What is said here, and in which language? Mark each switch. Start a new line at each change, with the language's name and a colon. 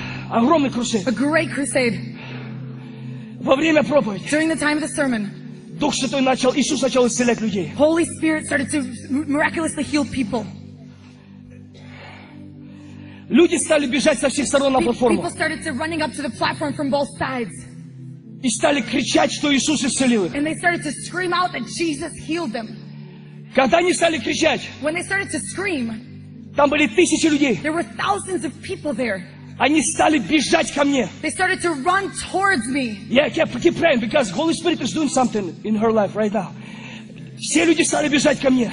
Russian: Огромный крусейд.
English: A great crusade.
Russian: Во время проповеди.
English: During the time of the sermon.
Russian: Дух Святой начал, Иисус начал исцелять людей.
English: Holy Spirit started to miraculously heal people.
Russian: Люди стали бежать со всех сторон на платформу.
English: People started to running up to the platform from both sides.
Russian: И стали кричать, что Иисус исцелил их.
English: And they started to scream out that Jesus healed them.
Russian: Когда они стали кричать.
English: When they started to scream.
Russian: Там были тысячи людей.
English: There were thousands of people there.
Russian: Они стали бежать ко мне.
English: They started to run towards me. Yeah, keep praying because Holy Spirit is doing something in her life right now.
Russian: Все люди стали бежать ко мне.